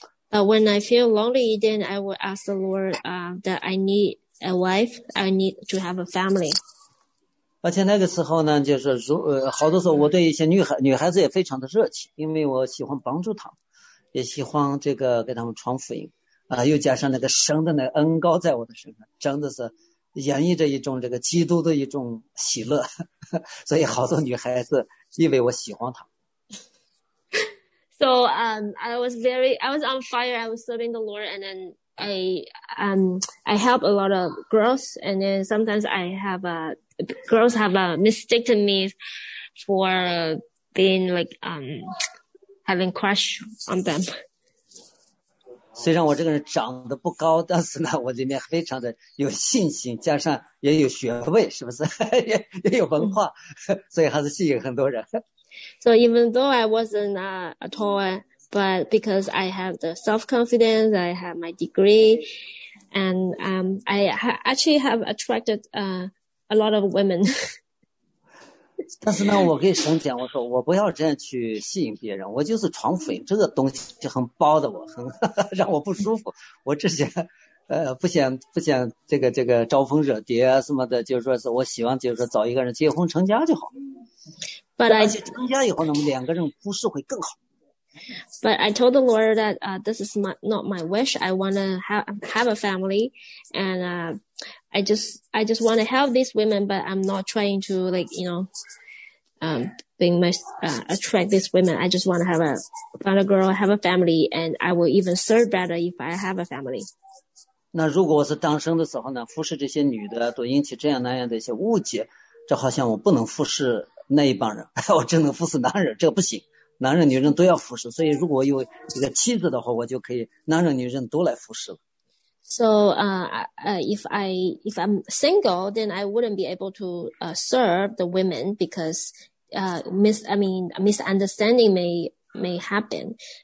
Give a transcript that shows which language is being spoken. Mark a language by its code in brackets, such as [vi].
[en] But when I feel lonely, then I will ask the Lord that I need a wife. I need to have a family. [zh] 而且那个时候呢，就是好多时候我对一些女孩子也非常的热情，因为我喜欢帮助她们，也喜欢这个给她们传福音。又加上那个神的那恩膏在我的身上，真的是洋溢着一种这个基督的一种喜乐，所以好多女孩子以为我喜欢他。 [en] So I was on fire. I was serving the Lord, and then I help a lot of girls, and then sometimes girls have mistaken me for being having crush on them. [zh] 虽然我这个人长得不高，但是呢，我里面非常的有信心，加上也有学位，是不是？也有文化，所以还是吸引很多人。 [en] So even though I wasn't a tall, but because I have the self-confidence, I have my degree, and I actually have attracted a lot of women. [zh] 但是呢，我跟神讲，我说我不要这样去吸引别人，我就是床粉，这个东西就很包的我，很让我不舒服。我只想，不想这个招蜂惹蝶啊什么的，就是说我希望就是说找一个人结婚成家就好。 [en] But [zh] 而且成家以后呢，两个人不是会更好。 [en] But I told the Lord that this is not my wish. I want to have a family, and I just want to help these women. But I'm not trying to attract these women. I just want to find a girl, have a family, and I will even serve better if I have a family. [zh] 那如果我是单身的时候呢，服侍这些女的都引起这样那样的一些误解，这好像我不能服侍那一帮人，我只能服侍男人，这不行。男人女人都要服侍，所以如果有一个妻子的话，我就可以男人女人都来服侍了。 [en] So, if I'm single, then I wouldn't be able to serve the women because misunderstanding may happen.